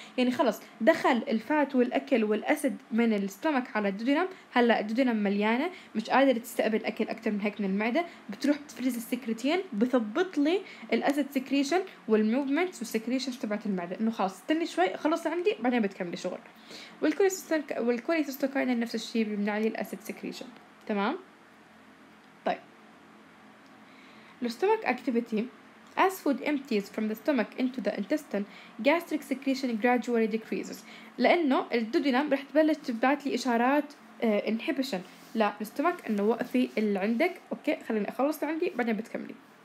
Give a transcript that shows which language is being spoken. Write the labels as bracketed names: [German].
[Arabic] يعني خلص دخل الفات والأكل والأسد من الستومك على الدودينم، هلأ الدودينم مليانة مش قادر تستقبل أكل أكتر من هيك من المعدة، بتروح تفرز السكرتين بثبط لي الأسد secretion والموفمنت والسكريشن تبعت المعدة إنه خلص استني شوي خلص عندي بعدين بتكمل شغل. والكوليسيستوكاين نفس الشيء بيمنع لي الأسد secretion. [English] تمام The stomach activity, as food empties from the stomach into the intestine, gastric secretion gradually decreases. [Arabic] لأنه الدودينام رح تبلش تبعت لي إشارات inhibition للستومك إنه وقفي اللي عندك، أوكي خليني أخلص اللي عندي بعدين بتكملي.